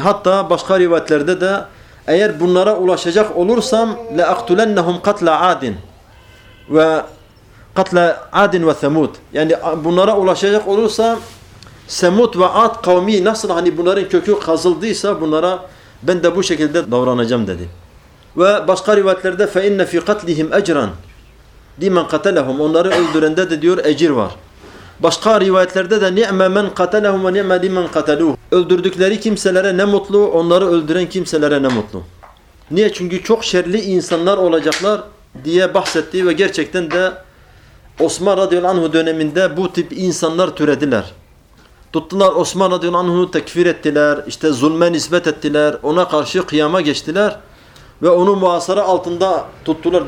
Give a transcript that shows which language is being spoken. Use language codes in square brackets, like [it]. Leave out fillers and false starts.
[tr] Hatta başka rivayetlerde de eğer bunlara ulaşacak olursam [ar] لَاَقْتُلَنَّهُمْ قَتْلَ عَادٍ وَقَتْلَ عَادٍ وَثَمُوت. [tr] Yani bunlara ulaşacak olursam Semud ve Ad kavmi nasıl hani bunların kökü kazıldıysa bunlara ben de bu şekilde davranacağım dedi. Ve başka rivayetlerde [ar] فَاِنَّ فِي قَتْلِهِمْ اَجْرًا لِمَنْ قَتَلَهُمْ. [tr] Onları öldürende de diyor ecir var. Başka rivayetlerde de [ar] نِعْمَ مَنْ قَتَلَهُمْ وَنِعْمَ لِمَنْ قَتَلُوهُ. [tr] Öldürdükleri kimselere ne mutlu, onları öldüren kimselere ne mutlu. Niye? Çünkü çok şerli insanlar olacaklar diye bahsetti ve gerçekten de Osman radıyallahu anh döneminde bu tip insanlar türediler. Tuttular Osman radıyallahu anh'u tekfir ettiler, işte zulme nispet ettiler, ona karşı kıyama geçtiler ve onu muhasara altında tuttular.